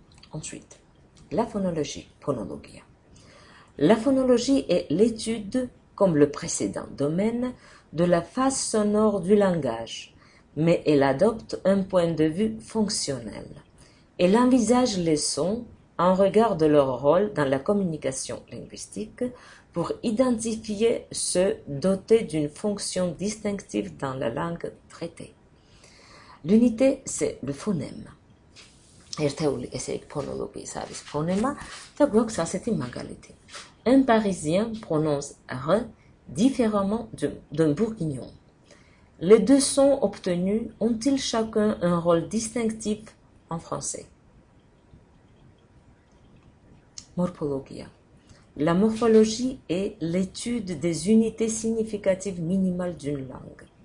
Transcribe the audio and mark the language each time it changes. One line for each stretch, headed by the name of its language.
French: Ensuite, la phonologie, phonologia. La phonologie est l'étude, comme le précédent domaine, de la face sonore du langage, mais elle adopte un point de vue fonctionnel. Elle envisage les sons en regard de leur rôle dans la communication linguistique pour identifier ceux dotés d'une fonction distinctive dans la langue traitée. L'unité, c'est le phonème.
Georgian: ერთეული, ესე იგი ფონოლოგიის არის ფონემა და გვაქვს ასეთი მაგალითი.
French: Un parisien prononce r différemment d'un bourguignon. Les deux sons obtenus ont-ils chacun un rôle distinctif en français? Morphologia. La morphologie est l'étude des unités significatives minimales d'une langue.